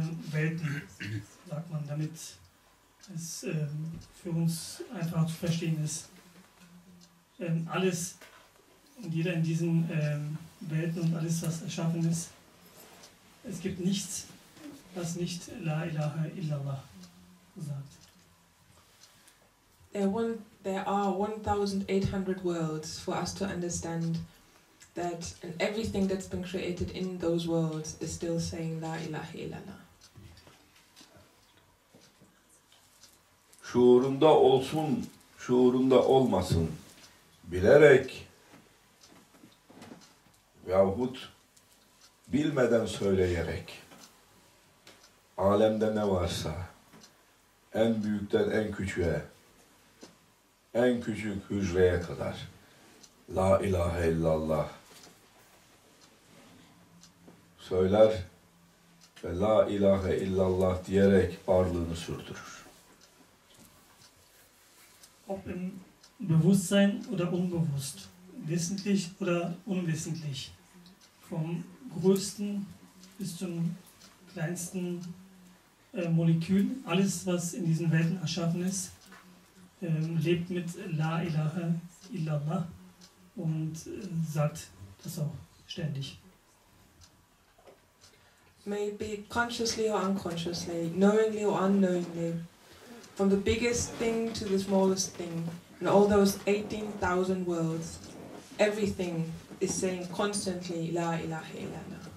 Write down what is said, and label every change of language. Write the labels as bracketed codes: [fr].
[de] Welten, sagt man, damit es für uns einfach zu verstehen ist. Alles und jeder in diesen Welten und alles, was erschaffen ist, es gibt nichts, was nicht La ilaha illallah sagt. [en] There are 1800 worlds for us to understand. That and everything that's been created in those worlds is still saying La ilahe illallah. [tr] Şuurunda olsun, şuurunda olmasın, bilerek yahut bilmeden söyleyerek alemde ne varsa, en büyükten en küçüğe, en küçük hücreye kadar La ilahe illallah söyler ve La ilahe illallah diyerek varlığını sürdürür. [de] Ob im Bewusstsein oder unbewusst, wissentlich oder unwissentlich, vom größten bis zum kleinsten Molekül, alles, was in diesen Welten erschaffen ist, lebt mit La ilahe illallah und sagt das auch ständig. [en] May be consciously or unconsciously, knowingly or unknowingly, from the biggest thing to the smallest thing, in all those 18,000 worlds, everything is saying constantly, La ilaha illallah.